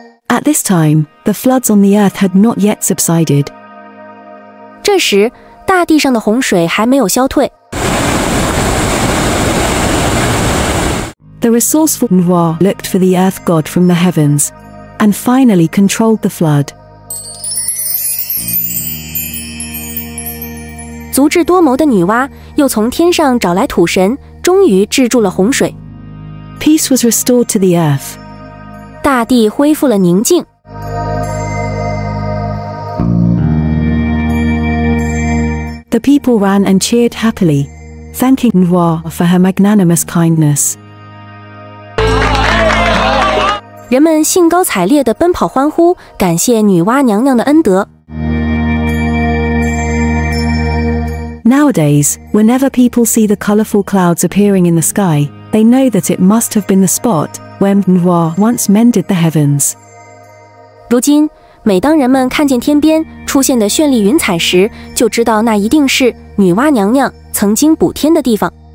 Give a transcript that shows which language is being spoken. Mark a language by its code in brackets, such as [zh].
[en] At this time, the floods on the earth had not yet subsided. [zh] 这时，大地上的洪水还没有消退。 [en] The resourceful Nuwa looked for the earth god from the heavens, and finally controlled the flood. [zh] 足智多谋的女娲又从天上找来土神，终于制住了洪水。 [en] Peace was restored to the earth. [zh] 大地恢复了宁静。 [en] The people ran and cheered happily, thanking Nuwa for her magnanimous kindness. [zh] 人们兴高采烈地奔跑欢呼，感谢女娲娘娘的恩德。 [en] Nowadays, whenever people see the colorful clouds appearing in the sky, they know that it must have been the spot. When Nuwa once mended the heavens. [zh] 如今，每当人们看见天边出现的绚丽云彩时，就知道那一定是女娲娘娘曾经补天的地方。